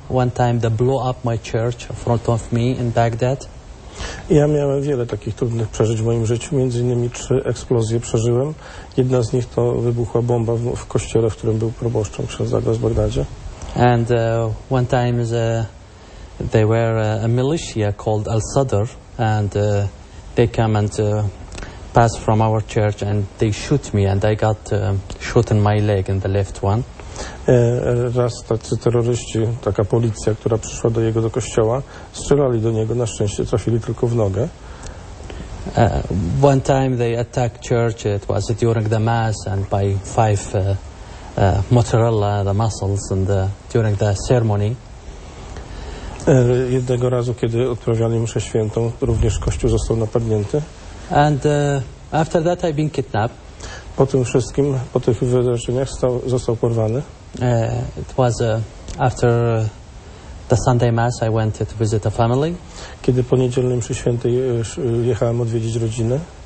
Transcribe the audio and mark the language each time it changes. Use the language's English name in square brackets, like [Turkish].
[English] One time they blew up my church in front of me in Baghdad. [Polish] Ja miałem wiele takich trudnych przeżyć w moim życiu. Między innymi trzy eksplozje przeżyłem. Jedna z nich to wybuchła bomba w kościele, w którym był proboszczem przez zagaz w Bagdadzie. [English] And one time they were a militia called Al-Sadr, and they came and passed from our church and they shoot me, and I got shot in my leg in the left one. [Polish] Raz tacy terroryści, taka policja, która przyszła do jego do kościoła, strzelali do niego, na szczęście trafili tylko w nogę. [English] One time they attacked church, it was during the mass and by five mozzarella, the muscles, and during the ceremony. [Polish] Jednego razu, kiedy odprawiali mszę świętą, również kościół został napadnięty. [English] And after that I've been kidnapped. [Polish] Po tym wszystkim, po tych wydarzeniach został porwany. [English] It was after the Sunday mass I went to visit a family. [Polish] Kiedy po niedzielnym mszy świętej jechałem odwiedzić rodzinę.